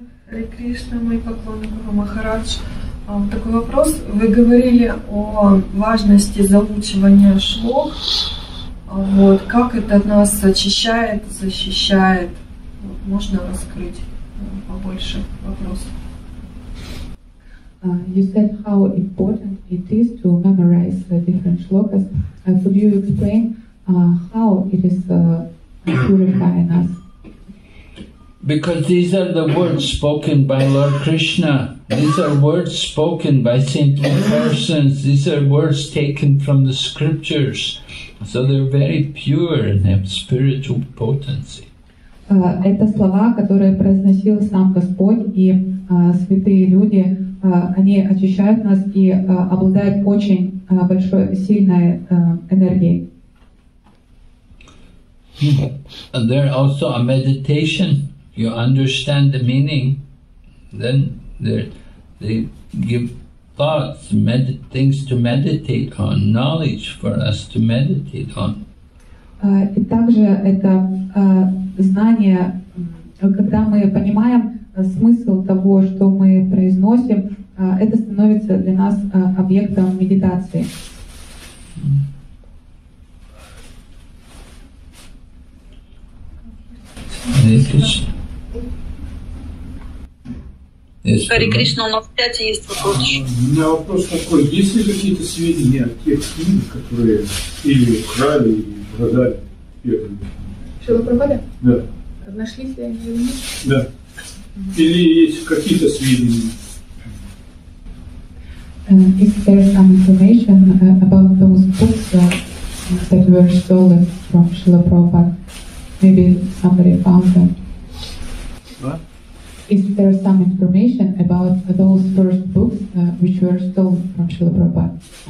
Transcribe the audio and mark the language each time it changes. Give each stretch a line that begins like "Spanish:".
Russian: Хари Кришна, мой поклонник Махарадж. Такой вопрос. Вы говорили о важности заучивания шлок. Вот, как это нас очищает, защищает? Вот, можно раскрыть побольше вопрос?
English: You said how important it is to memorize different shlokas. Could you explain how it is purifying us? Because these are the words spoken by Lord Krishna. These are words spoken by saintly persons. These are words taken from the scriptures. So they're very pure and have spiritual potency.
Russian: Это слова, которые произносил сам Господь, и святые люди, они очищают нас и обладают очень большой, сильной энергией.
English: And there also a meditation. You understand the meaning, then they give thoughts, things to meditate on, knowledge for us to meditate on.
Russian: И также это знание, когда мы понимаем смысл того, что мы произносим, это становится для нас объектом медитации.
English: Yes,
Russian: Хари Кришна, у нас в чате есть вопрос. У меня вопрос такой, есть ли какие-то сведения о тех книг, которые или украли, или продали первыми? Что, вы пропали? Да. Нашлись ли они или нет? Да. Или есть какие-то сведения?
English: Is there some information about those books that were stolen from Srila Prabhupada? Maybe somebody found them. Is there some information about those first books which were stolen from Srila Prabhupada?